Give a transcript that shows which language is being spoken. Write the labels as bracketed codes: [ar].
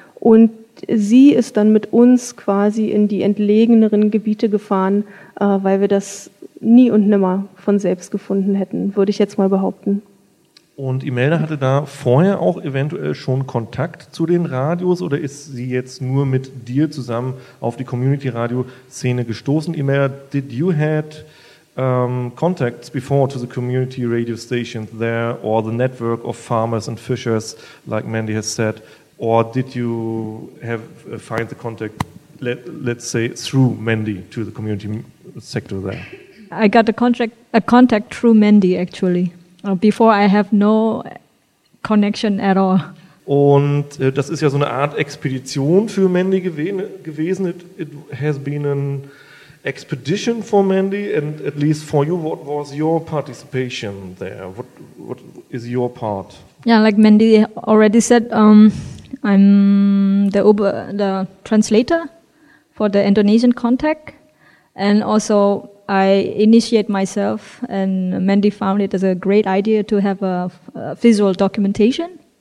[de] Und sie ist dann mit uns quasi in die entlegeneren Gebiete gefahren, weil wir das nie und nimmer von selbst gefunden hätten, würde ich jetzt mal behaupten. Und Imelda hatte da vorher auch eventuell schon Kontakt zu den Radios oder ist sie jetzt nur mit dir zusammen auf die Community-Radio-Szene gestoßen? [en] Imelda, did you had contacts before to the community radio stations there or the network of farmers and fishers, like Mandy has said? Or did you find the contact, let's say, through Mandy to the community sector there? I got a contact through Mandy, actually. Before I have no connection at all. [de] Und das ist ja so eine Art Expedition für Mandy gewesen. [en] It has been an expedition for Mandy, and at least for you, what was your participation there? What is your part? Yeah, like Mandy already said, I'm the translator for the Indonesian contact, and also I initiate myself, and Mandy found it as a great idea to have a visual documentation.